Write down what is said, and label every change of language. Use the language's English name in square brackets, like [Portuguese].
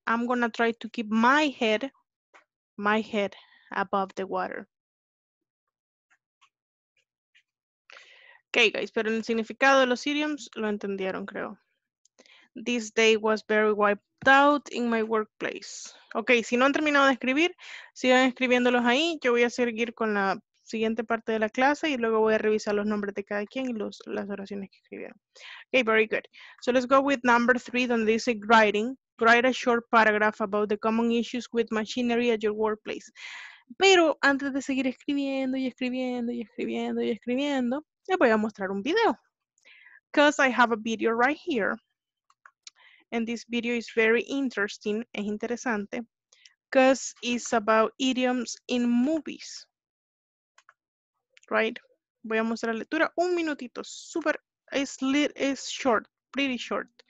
[English] I'm gonna try to keep my head above the water. Okay, guys, [Spanish] pero el significado de los idioms lo entendieron, creo. [English] This day was very wiped out in my workplace. [Spanish] Okay, si no han terminado de escribir, sigan escribiéndolos ahí. Yo voy a seguir con la siguiente parte de la clase y luego voy a revisar los nombres de cada quien y las oraciones que escribieron. [English] Okay, very good. So let's go with number three, [Spanish] donde dice [English] writing. Write a short paragraph about the common issues with machinery at your workplace. [Spanish] Pero antes de seguir escribiendo y escribiendo y escribiendo y escribiendo, les voy a mostrar un video. [English] Because I have a video right here. And this video is very interesting, [Spanish] es interesante, [English] because it's about idioms in movies. Right? [Spanish] Voy a mostrar la lectura, un minutito, super, [English] it's short, pretty short.